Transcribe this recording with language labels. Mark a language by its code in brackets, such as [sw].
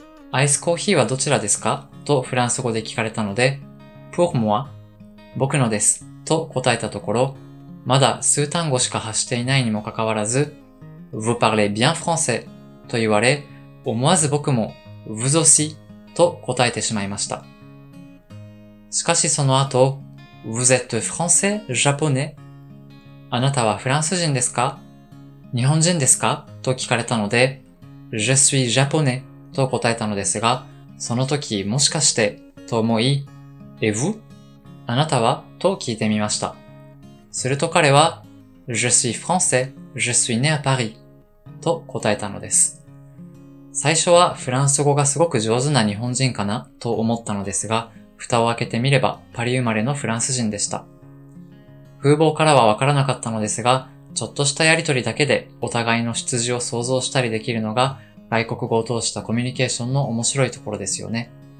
[ja] アイスコーヒーはどちらですか?とフランス語で聞かれたので、 [fr] Pour moi? [ja] 僕のです。と答えたところ、まだ数単語しか発していないにもかかわらず、 [fr] Vous parlez bien français? [ja] と言われ、思わず僕も、 [fr] Vous aussi? [ja] と答えてしまいました。しかしその後、 [fr] Vous êtes français, japonais? [ja] あなたはフランス人ですか? 日本人ですか? と聞かれたので、 [fr] Je suis japonais? [ja] と答えたのですが、その時もしかしてと思い、え、 [fr] vous? [ja] あなたは?と聞いてみました。すると彼は、 [fr] Je suis français, je suis né à Paris [ja] と答えたのです。最初はフランス語がすごく上手な日本人かなと思ったのですが、蓋を開けてみればパリ生まれのフランス人でした。風貌からはわからなかったのですが、ちょっとしたやりとりだけでお互いの出自を想像したりできるのが、外国語を通したコミュニケーションの面白いところですよね。